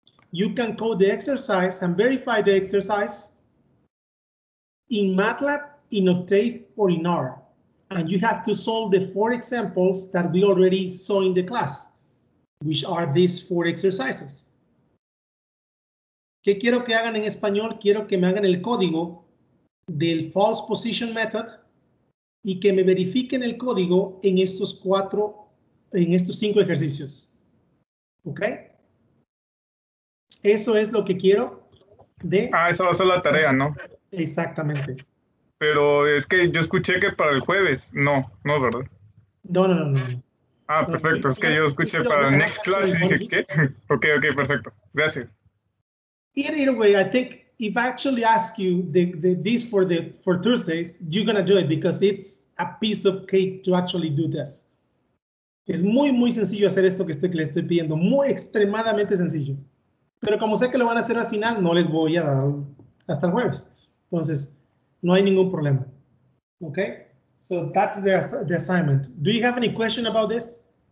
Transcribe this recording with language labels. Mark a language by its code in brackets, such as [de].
[en] You can code the exercise and verify the exercise in MATLAB, in Octave, or in R. And you have to solve the 4 examples that we already saw in the class, which are these 4 exercises. [es] ¿Qué quiero que hagan en español? Quiero que me hagan el código del false position method y que me verifiquen el código en estos 5 ejercicios. ¿Ok? Eso es lo que quiero de... Ah, esa va a ser la tarea, ¿no? Exactamente. Pero es que yo escuché que para el jueves. No, no, ¿verdad? No. Ah, perfecto. Okay. Es que yo escuché para el [en] next class [es] y dije, ¿qué? Ok, perfecto. Gracias. [en] In a way, I think if I actually ask you this for Thursdays, you're going to do it because it's a piece of cake to actually do this. [es] Es muy, muy sencillo hacer esto que le estoy pidiendo. Muy extremadamente sencillo. Pero como sé que lo van a hacer al final, no les voy a dar hasta el jueves. Entonces, no hay ningún problema. Okay? [en] So that's the assignment. Do you have any question about this?